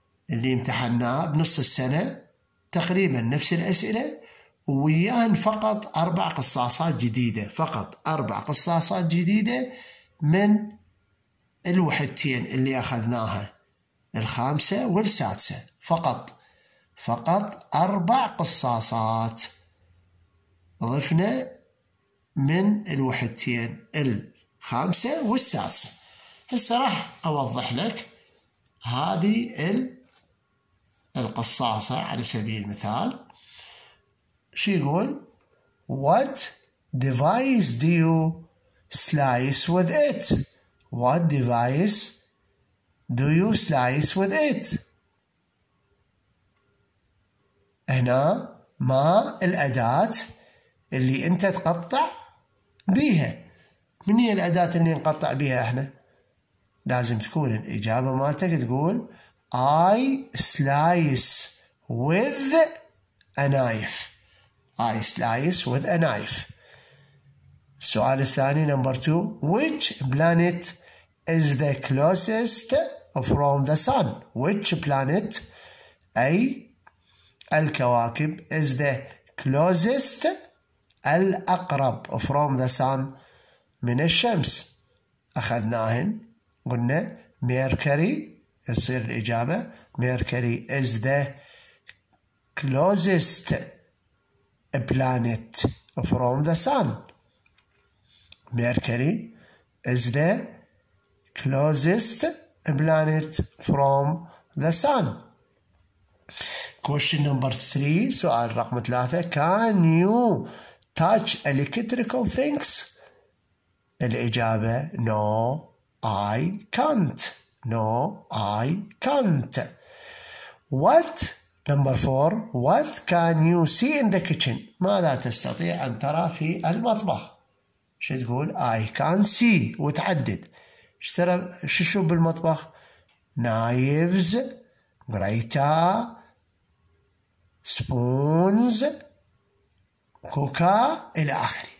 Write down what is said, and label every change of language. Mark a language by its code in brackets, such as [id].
[ar] اللي امتحناه بنص السنه تقريبا نفس الاسئله، وياهن فقط 4 قصاصات جديده، فقط 4 قصاصات جديده من الوحدتين اللي اخذناها الـ5 والـ6، فقط فقط 4 قصاصات ضفنا من الوحدتين الـ5 والـ6. هسه راح اوضح لك هذه القصاصة على سبيل المثال. شو يقول؟ [en] What device do you slice with it? What device do you slice with it? [ar] هنا ما الأداة اللي انت تقطع بيها؟ من هي الأداة اللي نقطع بيها احنا؟ لازم تكون الإجابة مالتك تقول [en] I slice with a knife. I slice with a knife. [ar] السؤال الثاني [en] number two, which planet is the closest from the sun? Which planet, [ar] أي الكواكب, [en] is the closest, [ar] الأقرب, [en] from the sun, [ar] من الشمس. أخذناهن قلنا ميركوري, يصير الإجابة ميركوري [en] is the closest planet from the sun. Mercury is the closest planet from the sun. Question number three, [ar] سؤال رقم ثلاثة, [en] can you touch electrical things? [ar] الإجابة [en] no I can't. No, I can't. What? Number four. What can you see in the kitchen? [ar] ماذا تستطيع أن ترى في المطبخ؟ شو تقول؟ [en] I can't see. [ar] وتعدد. شو تشوف بالمطبخ؟ [en] Knives, grater, spoons, cooker, [ar] إلى آخره.